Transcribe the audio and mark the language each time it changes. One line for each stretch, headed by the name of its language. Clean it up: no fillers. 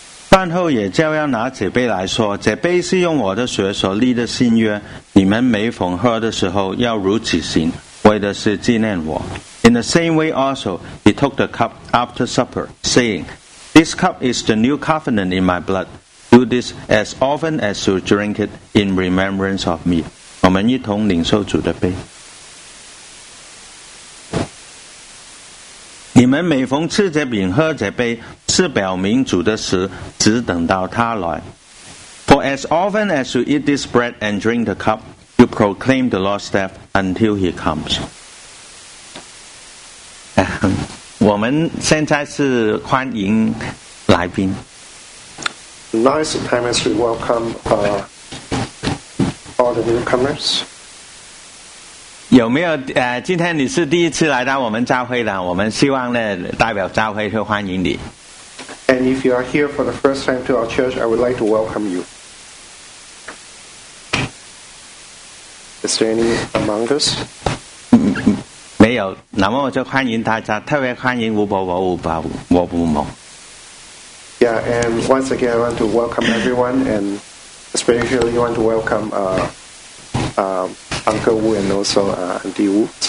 Chinese: 饭后也照样拿这杯来说，这杯是用我的血所立的新约，你们每逢喝的时候要如此行，为的是纪念我。
English: In the same way also he took the cup after supper, saying, This cup is the new covenant in my blood. Do this as often as you drink it in remembrance of me.
Chinese: 我们一同领受主的杯。你们每逢吃这饼喝这杯，是表明主的时，只等到他来。
English: For as often as you eat this bread and drink the cup, you proclaim the Lord's death until he comes.
Chinese: 我们现在是欢迎来宾。
English: Now is the time as we welcome all the newcomers.
Chinese: 有没有今天你是第一次来到我们教会的，我们希望呢代表教会去欢迎你。
English: And if you are here for the first time to our church, I would like to welcome you. Is there any among us?
Chinese: 没有，那么我就欢迎大家，特别欢迎吴伯伯、吴伯伯、吴伯伯。
English: Yeah, and once again, I want to welcome everyone, and especially want to welcome Uncle Wu and also Auntie Wu.